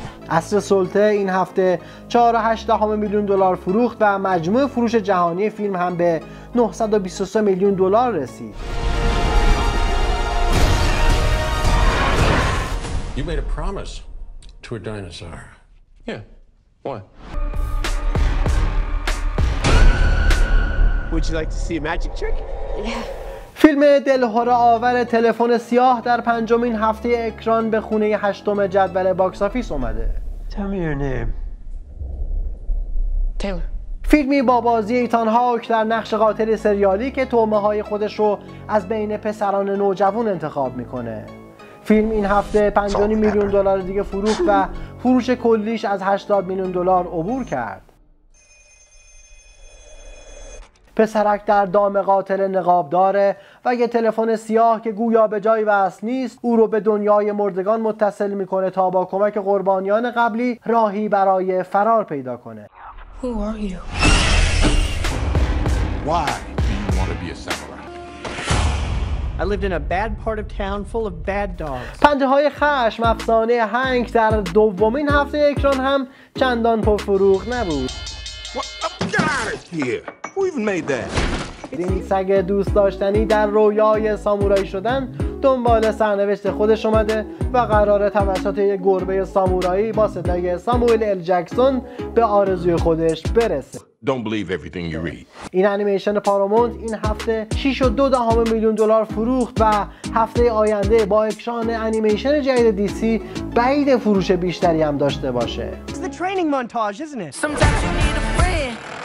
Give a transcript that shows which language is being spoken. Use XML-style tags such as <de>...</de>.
<fa>عصر سلطه این هفته 4.8 میلیون دلار فروخت و مجموع فروش جهانی فیلم هم به 923 میلیون دلار رسید.</fa> <en>You made a promise to a dinosaur. Yeah. What? Would you like to see a magic trick? Yeah.</en> <fa>فیلم دلهره آور تلفن سیاه در پنجمین هفته اکران به خونه 8 جدول باکس آفیس اومده.</fa> <en>Tell me your name. Taylor.</en> <fa>فیلمی با بازی ایتان هاک در نقش قاتل سریالی که تومه های خودش رو از بین پسران نوجوان انتخاب میکنه. فیلم این هفته 5.5 میلیون دلار دیگه فروخت و فروش کلیش از 80 میلیون دلار عبور کرد. پسرک در دام قاتل نقاب داره و یه تلفن سیاه که گویا به جای وصل نیست او رو به دنیای مردگان متصل میکنه تا با کمک قربانیان قبلی راهی برای فرار پیدا کنه.</fa> <en>Who are you? Why do you want to be a samurai? I lived in a bad part of town full of bad dogs.</en> <fa>پنجه‌های خشم افسانه هنگ در دومین هفته اکران هم چندان پرفروغ نبود. این سگ دوست داشتنی در رویای سامورایی شدن دنبال سرنوشت خودش اومده و قراره توسط یک گربه سامورایی با صدای ساموئل ال جکسون به آرزوی خودش برسه.</fa> <en>Don't believe everything you read.</en> <fa>این انیمیشن پارامونت این هفته 6.2 میلیون دلار فروخت و هفته آینده با اکران انیمیشن جدید DC بعید فروش بیشتری هم داشته باشه.</fa> <en>It's the training montage, isn't it? Sometimes you need a friend.</en>